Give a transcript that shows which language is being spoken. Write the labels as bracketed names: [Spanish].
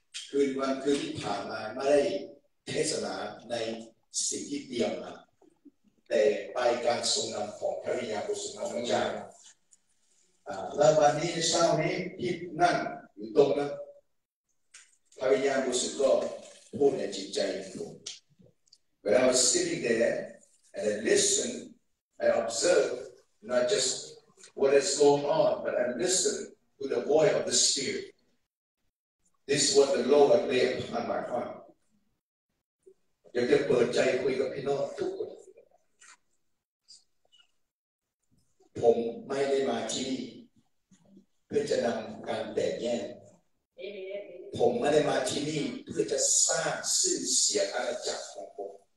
[Thai] คืนวันคืนที่ผ่านมาไม่ได้เทศนาในสิ่งที่เตรียมมาแต่ไปการทรงนำของพระวิญญาณบริสุทธิ์ของพระเจ้าและวันนี้เช้านี้ที่นั่งอยู่ตรงนั้นพระวิญญาณบริสุทธิ์ก็พูดในจิตใจของผม [English] When I was sitting there and I listened I observed not justWhat is going on, but I listened to the voice of the Spirit. This is what the Lord had laid upon my heart. [Thai] อยากจะเปิดใจคุยกับพี่น้องทุกคนผมไม่ได้มาที่นี่เพื่อจะนำการแตกแยกผมไม่ได้มาที่นี่เพื่อจะสร้างชื่อเสียงอาณาจักรของผม